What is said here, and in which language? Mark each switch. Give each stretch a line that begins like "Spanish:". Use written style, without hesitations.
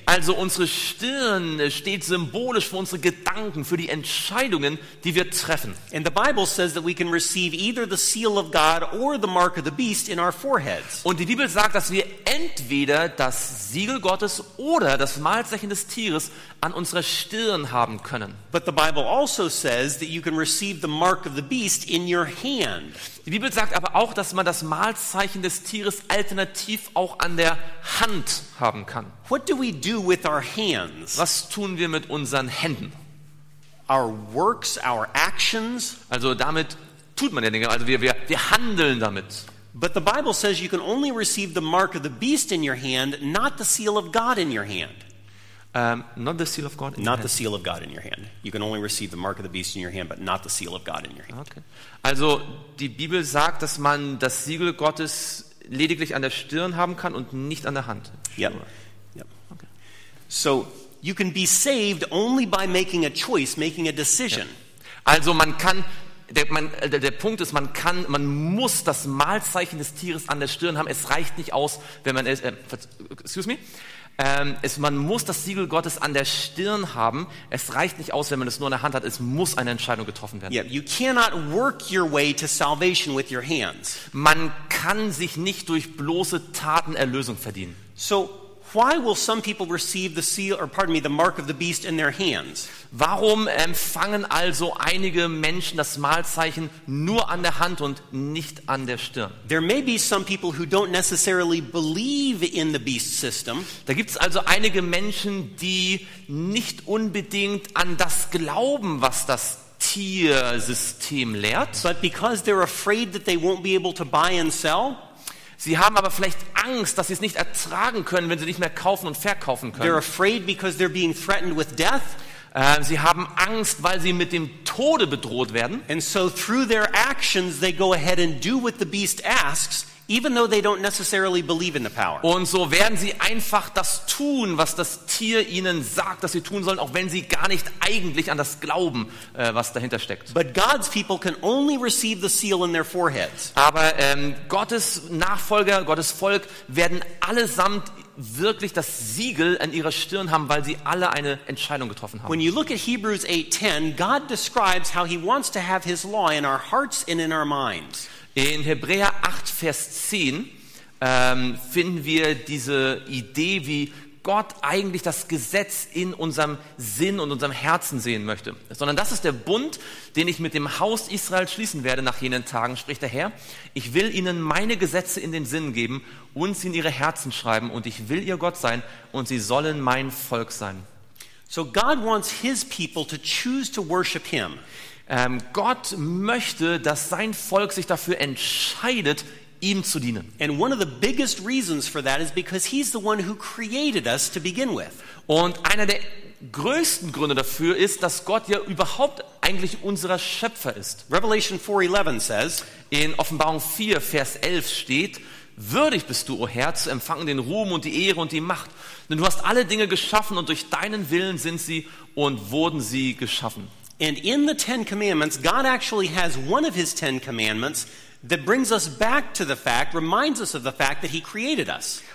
German: Also unsere Stirn steht symbolisch für unsere Gedanken, für die Entscheidungen, die wir treffen.
English: And the Bible says that we can receive either the seal of God or the mark of the beast in our foreheads.
German: Und die Bibel sagt, dass wir entweder das Siegel Gottes oder das Malzeichen des Tieres an unserer Stirn haben können.
English: But the Bible also says that you can receive the mark of the beast in your hand.
German: Die Bibel sagt aber auch, dass man das Malzeichen des Tieres alternativ auch an der Hand haben kann.
English: What do we do with our hands?
German: Was tun wir mit unseren Händen?
English: Our works, our actions.
German: Also damit tut man ja Dinge, also wir handeln damit.
English: But the Bible says you can only receive the mark of the beast in your hand, not the seal of God in your hand. Not the seal of God. In not your the hand. Seal of God in your hand. You can only receive the mark of the beast in your hand, but not the seal of God in your hand. Okay.
German: Also die Bibel sagt, dass man das Siegel Gottes lediglich an der Stirn haben kann und nicht an der Hand.
English: Sure. Yep. Yep. Okay. So you can be saved only by making a choice, making a decision. Yep.
German: Also man kann der Punkt ist, man muss das Malzeichen des Tieres an der Stirn haben. Es reicht nicht aus, wenn man es.
English: Excuse me.
German: Man muss das Siegel Gottes an der Stirn haben. Es reicht nicht aus, wenn man es nur in der Hand hat. Es muss eine Entscheidung getroffen werden.
English: Yeah, you cannot work your way to salvation with your hands.
German: Man kann sich nicht durch bloße Taten Erlösung verdienen.
English: So, why will some people receive the seal, or pardon me, the mark of the beast in their hands?
German: Warum empfangen also einige Menschen das Malzeichen nur an der Hand und nicht an der Stirn?
English: There may be some people who don't necessarily believe in the beast system.
German: Da gibt's also einige Menschen, die nicht unbedingt an das glauben, was das Tiersystem lehrt.
English: But because they're afraid that they won't be able to buy and sell.
German: Sie haben aber vielleicht Angst, dass sie es nicht ertragen können, wenn sie nicht mehr kaufen und verkaufen können.
English: They're afraid because they're being threatened with death.
German: Sie haben Angst, weil sie mit dem Tode bedroht werden.
English: And so through their actions they go ahead and do what the beast asks, even though they don't necessarily believe in the power.
German: Und so werden sie einfach das tun, was das Tier ihnen sagt, dass sie tun sollen, auch wenn sie gar nicht eigentlich an das glauben, was dahinter steckt.
English: But God's people can only receive the seal in their foreheads.
German: Aber Gottes Nachfolger, Gottes Volk werden allesamt wirklich das Siegel an ihrer Stirn haben, weil sie alle eine Entscheidung getroffen haben.
English: When you look at Hebrews 8:10, God describes how he wants to have his law in our hearts and in our minds.
German: In Hebräer 8, Vers 10 finden wir diese Idee, wie Gott eigentlich das Gesetz in unserem Sinn und unserem Herzen sehen möchte. Sondern das ist der Bund, den ich mit dem Haus Israel schließen werde nach jenen Tagen, spricht der Herr. Ich will ihnen meine Gesetze in den Sinn geben und sie in ihre Herzen schreiben und ich will ihr Gott sein und sie sollen mein Volk sein.
English: So God wants his people to choose to worship him.
German: Gott möchte, dass sein Volk sich dafür entscheidet, ihm zu dienen.
English: And one of the biggest reasons for that is because he's the one who created us to begin with.
German: Und einer der größten Gründe dafür ist, dass Gott ja überhaupt eigentlich unser Schöpfer ist.
English: Revelation 4:11 says,
German: in Offenbarung 4, Vers 11 steht, würdig bist du, o Herr, zu empfangen den Ruhm und die Ehre und die Macht. Denn du hast alle Dinge geschaffen und durch deinen Willen sind sie und wurden sie geschaffen.
English: And in the Ten Commandments, God actually has one of his Ten Commandments that brings us back to the fact, reminds us of the fact that he created us.